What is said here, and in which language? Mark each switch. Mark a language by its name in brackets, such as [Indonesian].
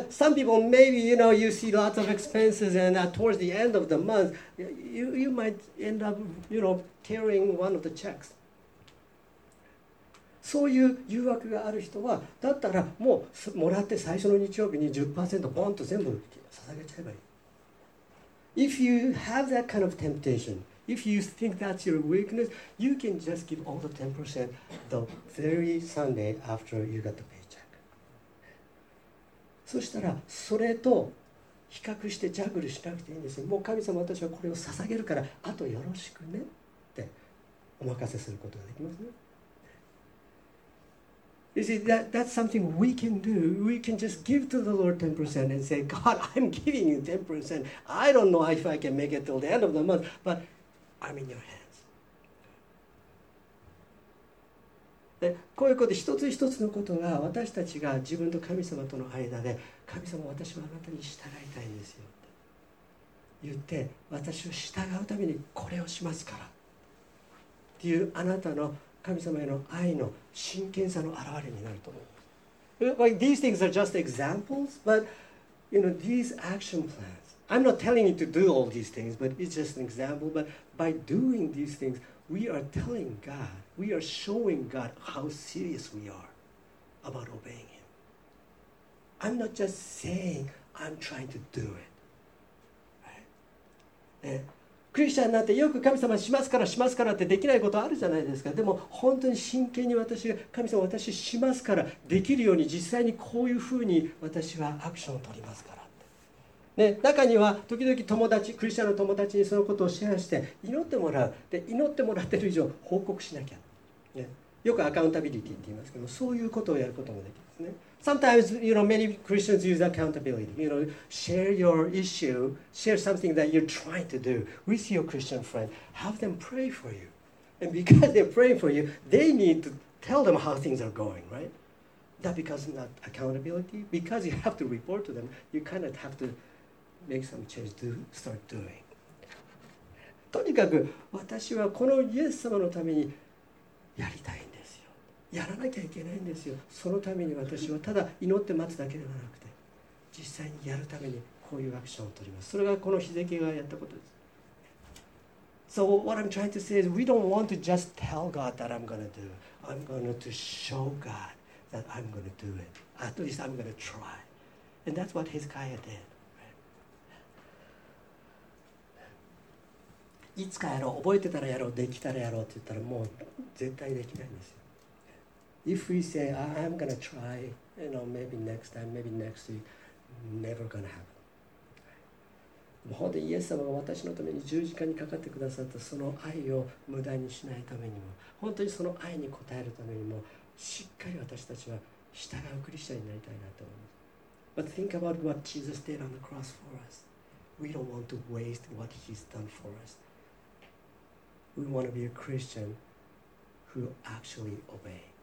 [English] But some people, maybe, you know, you see lots of expenses and towards the end of the month, you might end up, you know, tearing one of the checks. [Japanese] そういう誘惑がある人は、だったらもうもらって最初の日曜日に 10% ポンと全部捧げちゃえばいい。 [English] If you have that kind of temptation, if you think that's your weakness, you can just give all the 10% the very Sunday after you got the pay [Japanese] そしたらそれと比較してジャグルしなくていいんですよ。もう神様私はこれを捧げるからあとよろしくねってお任せすることができますね。 [English] You see, that's something we can do. We can just give to the Lord 10% and say, God, I'm giving you 10%. I don't know if I can make it till the end of the month, but I'm in your hands. [Japanese] で、こういうこと、一つ一つのことが私たちが自分と神様との間で、神様、私はあなたに従いたいんですよって言って、私を従うためにこれをしますからっていう、あなたの神様への愛の真剣さの表れになると思います。 [English] Like, these things are just examples, but you know, these action plans. I'm not telling you to do all these things, but it's just an example. But by doing these things, we are telling God, we are showing God how serious we are about obeying Him. I'm not just saying I'm trying to do it. [Japanese] クリスチャンになってよく神様しますからしますからってできないことあるじゃないですか。でも本当に真剣に私が神様私しますからできるように実際にこういうふうに私はアクションを取りますからって、ね、中には時々友達クリスチャンの友達にそのことをシェアして祈ってもらうで祈ってもらってる以上報告しなきゃ、ね、よくアカウンタビリティって言いますけどそういうことをやることもできますね。 [English] Sometimes, you know, many Christians use accountability. You know, share your issue, share something that you're trying to do with your Christian friend. Have them pray for you. And because they're praying for you, they need to tell them how things are going, right? That because of that accountability, because you have to report to them, you kind of have to make some change to start doing. [Japanese] とにかく、私はこのイエス様のためにやりたいんです。やらなきゃいけないんですよ。そのために私はただ祈って待つだけではなくて、実際にやるためにこういうアクションを取ります。それがこのヒゼキがやったことです。 [English] So what I'm trying to say is, we don't want to just tell God that I'm going to do. I'm going to show God that I'm going to do it. At least I'm going to try. And that's what Hezekiah did. Right? [Japanese] いつかやろう、覚えてたらやろう、できたらやろうって言ったらもう絶対できないんですよ。 [English] If we say, I'm going to try, you know, maybe next time, maybe next week, never going to happen. [Japanese] 本当にイエス様が私のために十字架にかかってくださったその愛を無駄にしないためにも、本当にその愛に応えるためにも、しっかり私たちは従うクリスチャンになりたいなと思います。 [English] But think about what Jesus did on the cross for us. We don't want to waste what He's done for us. We want to be a Christian who actually obeys.